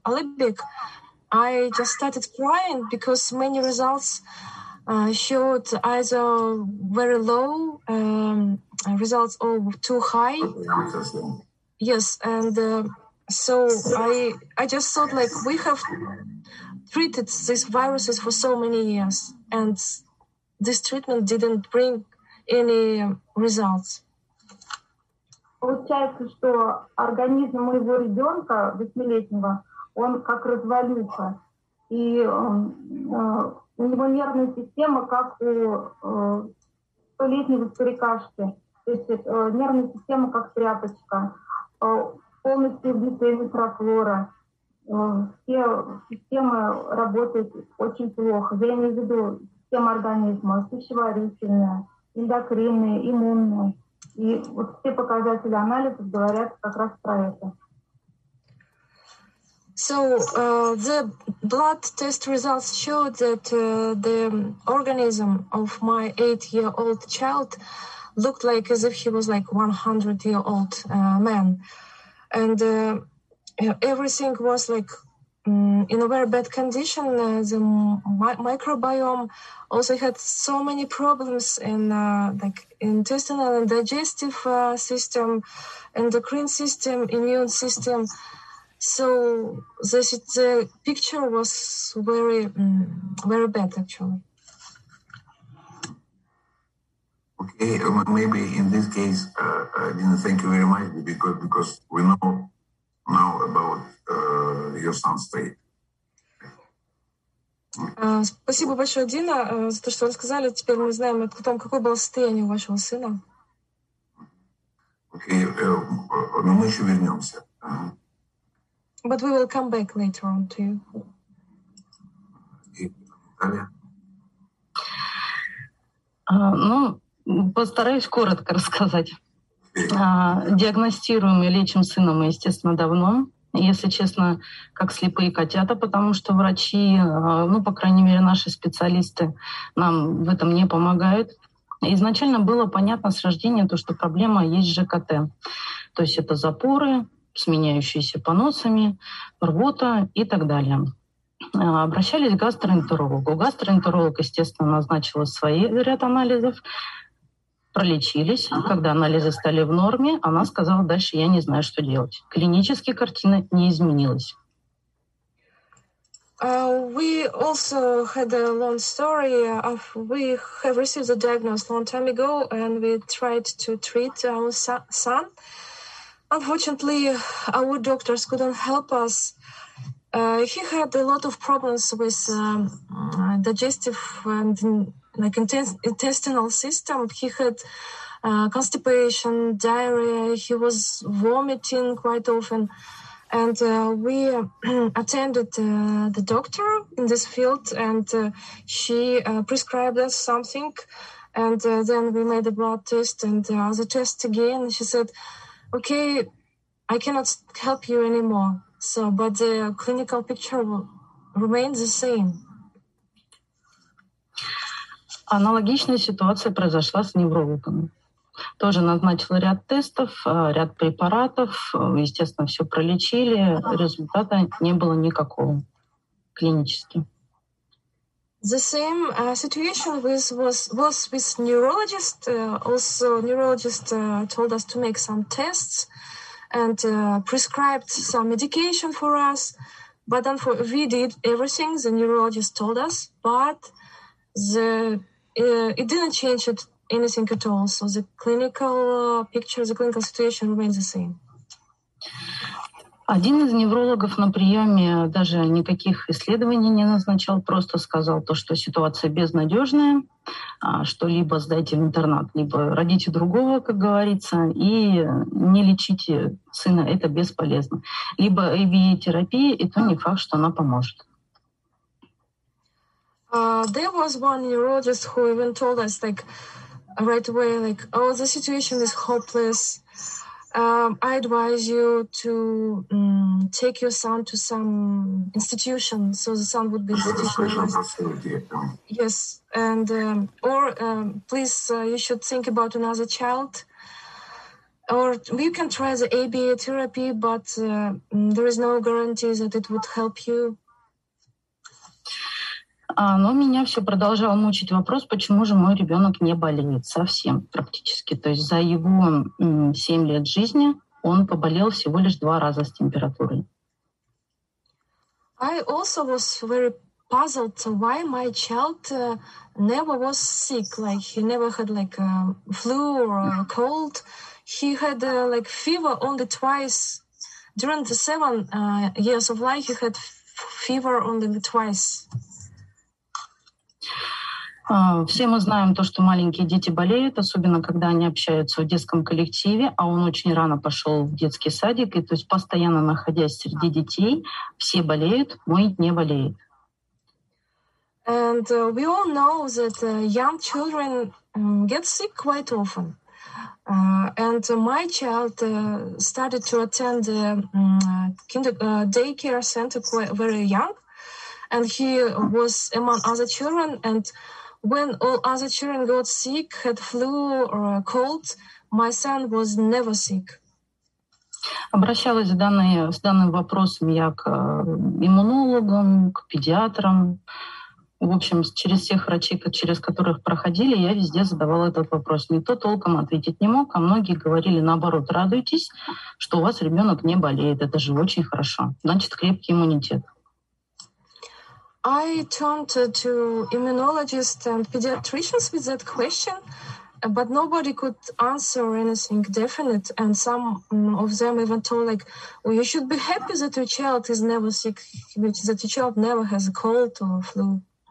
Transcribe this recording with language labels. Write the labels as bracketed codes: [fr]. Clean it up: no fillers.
[en] Alibek, I just started crying because many results showed either very low results or too high. Yes, and... So I just thought, like, we have treated these viruses for so many years, and this treatment didn't bring any results. [ru] Получается, что организм моего ребенка, 8-летнего, он как развалился, и у него нервная система как у столетний без перекашки, то есть нервная система как тряпочка, полностью убитая микрофлора, все системы работают очень плохо. Я имею в виду систему организма, пищеварительная, эндокринная, иммунная. И вот все показатели анализов говорят как раз про это. [en] So the blood test results showed that the organism of my 8-year-old child looked like as if he was like 100-year-old man. And everything was like in a very bad condition. The microbiome also had so many problems in like intestinal and digestive system, endocrine system, immune system. So the picture was very, very bad, actually. Okay, maybe in this case, I didn't thank you very much because we know now about your son's state. [ru] Спасибо большое, Дина, за то, что вы сказали. Теперь мы знаем о том, какое было состояние у вашего сына. Okay, но мы еще вернемся. [en] But we will come back later on to you. [ru] Ну, постараюсь коротко рассказать. Диагностируем и лечим сына мы, естественно, давно. Если честно, как слепые котята, потому что врачи, ну, по крайней мере, наши специалисты нам в этом не помогают. Изначально было понятно с рождения то, что проблема есть с ЖКТ. То есть это запоры, сменяющиеся поносами, рвота и так далее. Обращались к гастроэнтерологу. Гастроэнтеролог, естественно, назначил свой ряд анализов. Пролечились. Когда анализы стали в норме, она сказала, дальше я не знаю, что делать. Клинически картина не изменилась. [en] We also had a long story. We have received a diagnosis long time ago and we tried to treat our son. Unfortunately, our doctors couldn't help us. He had a lot of problems with digestive and like intestinal system. He had constipation, diarrhea. He was vomiting quite often. And we attended the doctor in this field, and she prescribed us something. And then we made a blood test and the test again. She said, okay, I cannot help you anymore. So, but the clinical picture remains the same. [ru] Аналогичная ситуация произошла с неврологом. Тоже назначил ряд тестов, ряд препаратов. Естественно, все пролечили. Результата не было никакого клинически. [en] The same situation was with neurologist. Also, neurologist told us to make some tests and prescribed some medication for us. But then we did everything the neurologist told us, but it didn't change it anything at all. So the clinical picture, the clinical situation remains the same. [ru] Один из неврологов на приеме даже никаких исследований не назначал, просто сказал то, что ситуация безнадежная, что либо сдайте в интернат, либо родите другого, как говорится, и не лечите сына, это бесполезно. Либо ABA-терапия, и то не факт, что она поможет. [en] There was one neurologist who even told us like right away, like, oh, the situation is hopeless. I advise you to take your son to some institution, so the son would be institutionalized. Yes, and please, you should think about another child, or you can try the ABA therapy, but there is no guarantee that it would help you. [ru] Но меня все продолжало мучить вопрос, почему же мой ребенок не болеет совсем практически. То есть за его 7 лет жизни он поболел всего лишь 2 раза с температурой. [en] I also was very puzzled why my child never was sick. Like he never had like a flu or a cold. He had like fever only twice. During the 7 years of life he had fever only twice. [ru] Все мы знаем то, что маленькие дети болеют, особенно когда они общаются в детском коллективе, а он очень рано пошел в детский садик, и то есть постоянно находясь среди детей, все болеют, мой не болеет. [en] And we all know that young children get sick quite often. And my child started to attend the daycare center quite very young, and he was among other children. And when all other children got sick, had flu or a cold, my son was never sick. [ru] Обращалась с данным вопросом я к иммунологам, к педиатрам. В общем, через всех врачей, через которых проходили, я везде задавала этот вопрос. Никто толком ответить не мог, а многие говорили, наоборот, радуйтесь, что у вас ребенок не болеет. Это же очень хорошо. Значит, крепкий иммунитет. [en] I turned to immunologists and pediatricians with that question, but nobody could answer anything definite. And some of them even told, like, well, you should be happy that your child is never sick, that your child never has a cold or flu.